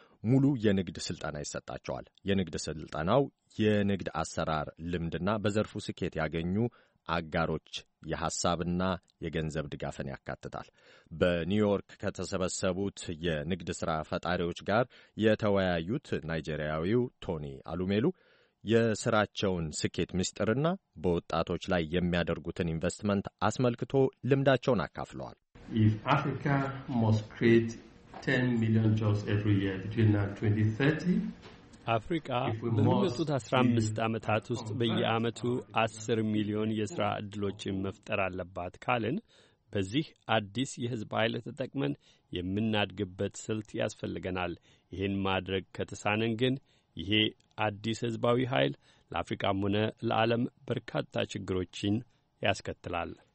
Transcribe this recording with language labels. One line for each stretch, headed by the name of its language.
Amharic: ሙሉ የንግድ ሥልጠና ይሰጣቸዋል። የንግድ ሥልጠናው የንግድ አሰራር ልምድና በዘርፉ ስኬት ያገኙ አጋሮች የሐሳብና የገንዘብ ድጋፍን ያካትታል። በኒውዮርክ ከተሰበሰቡት የንግድ ሥራ ፈጣሪዎች ጋር የተወያዩት ናይጄሪያዊው ቶኒ አሉሜሉ የሥራቸውን ስኬት ምስጢርና በወጣቶች ላይ የሚያደርጉትን ኢንቨስትመንት አስመልክቶ ልምዳቸውን አካፍለዋል።
English: If Africa must create 10 million jobs every year between now and 2030,
Amharic: አፍሪካ በሚመጡት 15 ዓመታት ውስጥ በየዓመቱ 10 ሚሊዮን የሥራ ዕድሎችን መፍጠር አለባት ካልን በዚህ አዲስ የሕዝብ ኃይል ተጠቅመን የምናድግበት ስልት ያስፈልገናል። ይህን ማድረግ ከተሳነን ግን ይሄ አዲስ ሕዝባዊ ኃይል ለአፍሪካም ሆነ ለዓለም በርካታ ችግሮችን ያስከትላል።